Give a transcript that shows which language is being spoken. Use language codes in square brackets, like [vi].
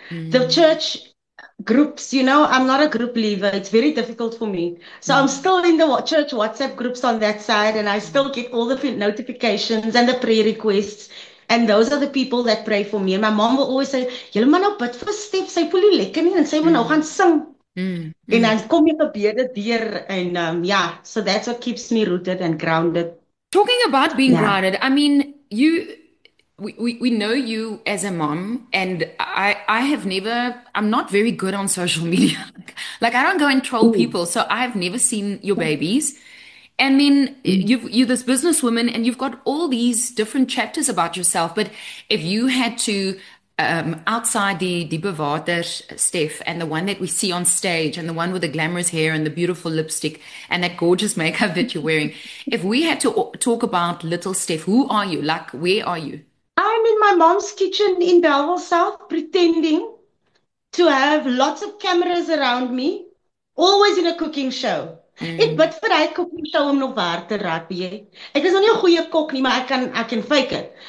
[en] The church groups, you know, I'm not a group leaver. It's very difficult for me. So I'm still in the church WhatsApp groups on that side, and I still get all the notifications and the prayer requests. And those are the people that pray for me. And my mom will always say, [af] "Julle moet nou bid vir Stef, sy voel nie lekker nie," [en] and [af] sy moet nou gaan sing. En dan kom jy gebede deur. [en] And yeah, so that's what keeps me rooted and grounded. Talking about being Yeah. grounded, I mean, we know you as a mom, and I have never, I'm not very good on social media. Like, I don't go and troll people, so I've never seen your babies. And then you're this businesswoman, and you've got all these different chapters about yourself. But if you had to, outside the bewater, Steph, and the one that we see on stage, and the one with the glamorous hair and the beautiful lipstick and that gorgeous makeup that you're wearing, if we had to talk about little Steph, who are you? Like, where are you? I'm in my mom's kitchen in Bellville South, pretending to have lots of cameras around me, always in a cooking show. [af] Ek bid vir hy cooking show om nog waar te raak, jy. Ek is nog nie 'n goeie kok nie, maar ek kan [en] fake it.